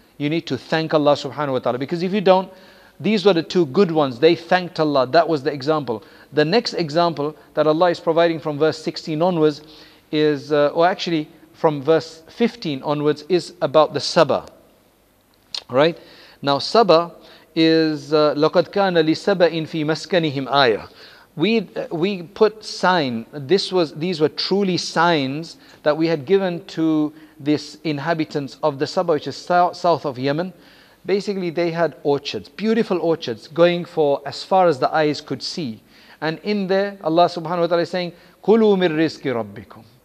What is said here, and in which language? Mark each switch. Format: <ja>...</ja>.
<en>You need to thank Allah subhanahu wa ta'ala. Because if you don't, these were the two good ones. They thanked Allah. That was the example. The next example that Allah is providing from verse 16 onwards is, from verse 15 onwards, is about the sabah. Right? Now sabah is</en> <ar>لَقَدْ كَانَ لِسَبَئٍ فِي مَسْكَنِهِمْ آيَةٍ.</ar> <en>We put sign. These were truly signs that we had given to this inhabitants of the sabah, which is south of Yemen. Basically, they had orchards, beautiful orchards, going for as far as the eyes could see. And in there, Allah subhanahu wa ta'ala is saying,</en> <ar>كُلُوا مِنْ رِزْكِ رَبِّكُمْ.</ar>